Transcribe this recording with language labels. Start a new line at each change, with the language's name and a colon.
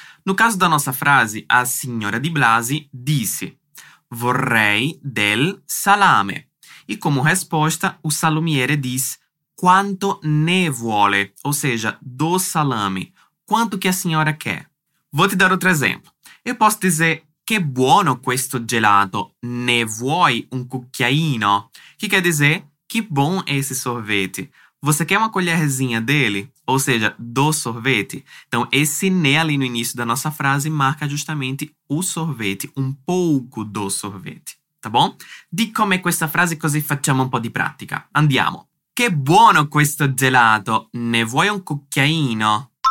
Portuguese: No caso da nossa frase, a senhora de Blasi disse
Italian: vorrei del salame.
Portuguese: E como resposta, o salumiere diz
Italian: quanto ne vuole,
Portuguese: ou seja, do salame. Quanto que a senhora quer? Vou te dar outro exemplo. Eu posso dizer
Italian: che buono questo gelato, ne vuoi un cucchiaino?
Portuguese: Que quer dizer que bom esse sorvete. Você quer uma colherzinha dele, ou seja, do sorvete? Então, esse ne ali no início da nossa frase marca justamente o sorvete, um pouco do sorvete, tá bom?
Italian: Di com'è questa frase così facciamo un po' di pratica. Andiamo. Che buono questo gelato, ne vuoi un cucchiaino?